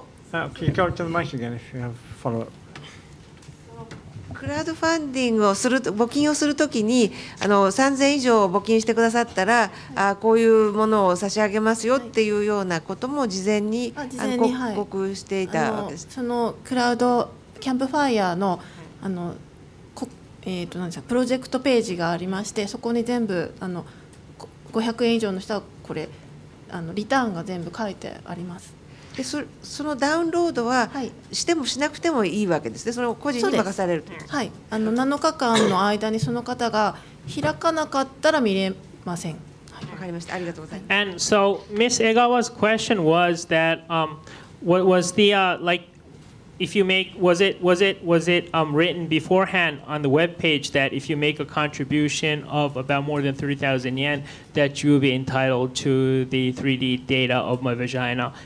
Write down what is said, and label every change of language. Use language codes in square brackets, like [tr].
[en] Can you go to the mic again if you have follow-up? [ja] クラウドファンディングをすると募金をするときに3000以上募金してくださったらこういうものを差し上げますよっていうようなことも事前に報告していたわけです。そのクラウドキャンプファイヤーのプロジェクトページがありまして、そこに全部500円以上の人はこれリターンが全部書いてあります。で、そのダウンロードはしてもしなくてもいいわけですね。その個人に任されると。はい。 7日間の間にその方が開かなかったら見れません。わかりました。ありがとうございます。 [en] And so Ms. Egawa's question was that what was the like if you make was it written beforehand on the web page that if you make a contribution of about more than 30,000 yen that you will be entitled to the 3D data of my vagina?